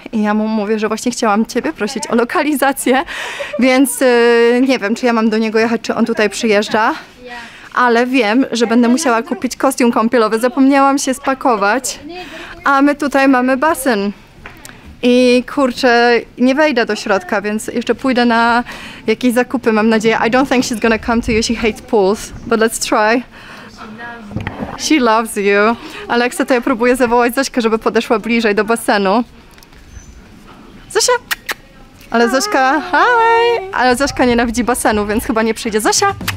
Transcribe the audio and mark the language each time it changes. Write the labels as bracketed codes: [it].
[pl] I ja mu mówię, że właśnie chciałam ciebie prosić o lokalizację, więc nie wiem, czy ja mam do niego jechać, czy on tutaj przyjeżdża. Ale wiem, że będę musiała kupić kostium kąpielowy. Zapomniałam się spakować, a my tutaj mamy basen. i kurczę, nie wejdę do środka, więc jeszcze pójdę na jakieś zakupy, mam nadzieję. [en] I don't think she's gonna come to you, she hates pools, but let's try. She loves you. [pl] Alexa, to ja próbuję zawołać Zośkę, żeby podeszła bliżej do basenu. Zosia! Ale Zośka, hi! Ale Zośka nienawidzi basenu, więc chyba nie przyjdzie. Zosia!